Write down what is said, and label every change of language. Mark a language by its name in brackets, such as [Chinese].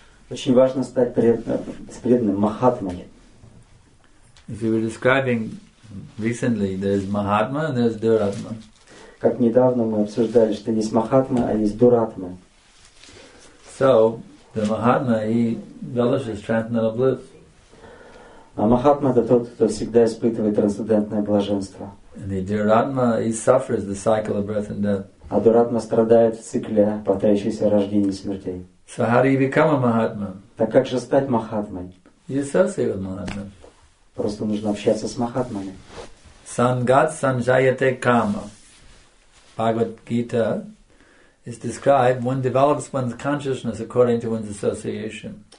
[Russian] Очень важно стать преданным Махатмой. [English] As we were describing recently, there's Mahatma and there's Duratma. [Russian] Как недавно мы обсуждали, что есть Махатма, а есть Дуратма. [English] So, the Mahatma, he relishes transcendental bliss. [Russian] А Махатма — это тот, кто всегда испытывает трансцендентное блаженство. [English] And the Duratma, he suffers the cycle of birth and death. [Russian] А Дуратма страдает в цикле повторяющихся рождений и смертей. [English] So how do you become a Mahatma? [Russian] Так как же стать Махатмой? [English] You associate with Mahatma. [Russian] Просто нужно общаться с Махатмами. [Sanskrit] Сангат санжаяте кама. [English] Bhagavad Gita is described one develops one's consciousness according to one's association.